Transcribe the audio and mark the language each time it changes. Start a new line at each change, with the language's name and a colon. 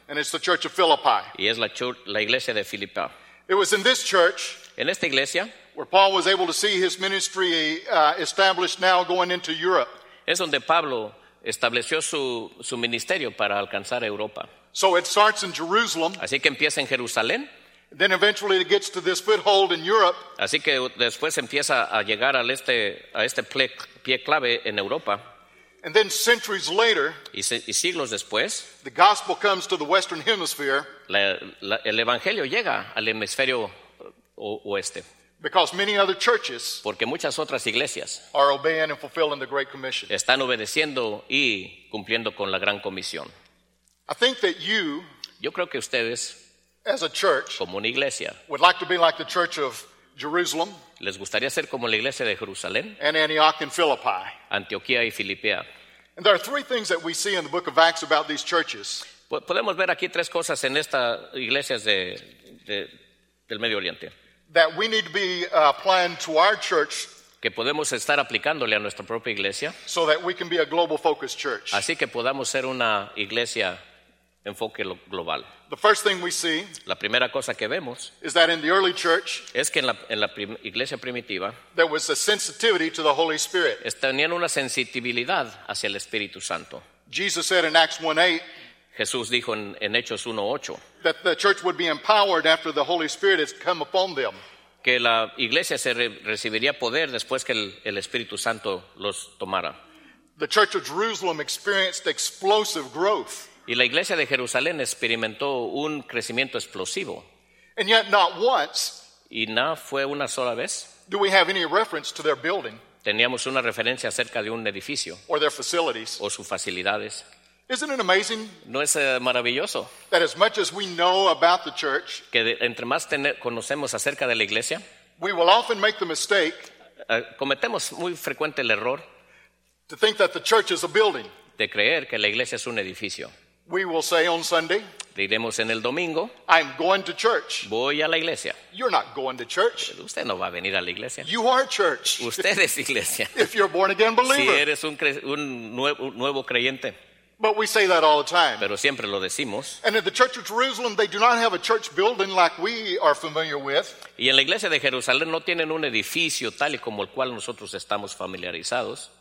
English: And it's the Church of Philippi.
Spanish: Y es la iglesia de Filipa.
English: It was in this church,
Spanish: en esta iglesia,
English: where Paul was able to see his ministry established now going into Europe.
Spanish: Es donde Pablo estableció su ministerio para alcanzar Europa.
English: So it starts in Jerusalem.
Spanish: Así que empieza en Jerusalén.
English: Then eventually it gets to this foothold in Europe.
Spanish: Así que después empieza a llegar al a este pie clave en Europa.
English: And then centuries later,
Spanish: y siglos después,
English: the gospel comes to the Western Hemisphere.
Spanish: El evangelio llega al hemisferio oeste.
English: Because many other churches,
Spanish: porque muchas otras iglesias,
English: are obeying and fulfilling the Great Commission.
Spanish: Están obedeciendo y cumpliendo con la Gran Comisión.
English: I think that you,
Spanish: yo creo que ustedes,
English: as a church,
Spanish: como una iglesia,
English: would like to be like the Church of Jerusalem,
Spanish: les gustaría ser como la iglesia de Jerusalén,
English: and Antioch and Philippi,
Spanish: Antioquía y Filipea.
English: And there are three things that we see in the book of Acts about these churches.
Spanish: Podemos ver aquí tres cosas en estas iglesias del Medio Oriente.
English: That we need to be applying to our church,
Spanish: que podemos estar aplicándole a nuestra propia iglesia,
English: so that we can be a global-focused church.
Spanish: Así que podamos ser una iglesia enfoque global.
English: The first thing we see,
Spanish: la primera cosa que vemos,
English: is that in the early church,
Spanish: es que en la iglesia primitiva,
English: there was a sensitivity to the Holy Spirit.
Spanish: Tenían una sensibilidad hacia el Espíritu Santo.
English: Jesus said in Acts 1:8.
Spanish: Jesús dijo en Hechos 1:8
English: that the church would be empowered after the Holy Spirit has come upon them.
Spanish: Que la iglesia se recibiría poder después que el Espíritu Santo los tomara.
English: The Church of Jerusalem experienced explosive growth.
Spanish: Y la iglesia de Jerusalén experimentó un crecimiento explosivo.
English: And yet not once,
Spanish: y no fue una sola vez,
English: do we have any reference to their building,
Spanish: teníamos una referencia acerca de un edificio,
English: or their facilities,
Spanish: o sus facilidades.
English: Isn't it amazing?
Spanish: ¿No es maravilloso?
English: That as much as we know about the church,
Spanish: que entre más conocemos acerca de la iglesia,
English: we will often make the mistake,
Spanish: cometemos muy frecuente el error
English: to think that the church is a building.
Spanish: De creer que la iglesia es un edificio.
English: We will say on Sunday,
Spanish: diremos en el domingo,
English: I'm going to church.
Spanish: Voy a la iglesia.
English: You're not going to church.
Spanish: Usted no va a venir a la iglesia.
English: You are church.
Spanish: Usted es iglesia.
English: If you're born again believer.
Spanish: Si eres un nuevo creyente.
English: But we say that all the time.
Spanish: Pero siempre lo decimos.
English: And in the Church of Jerusalem, they do not have a church building like we are familiar with.
Spanish: Y en la iglesia de Jerusalén no tienen un edificio tal y como el cual nosotros estamos familiarizados.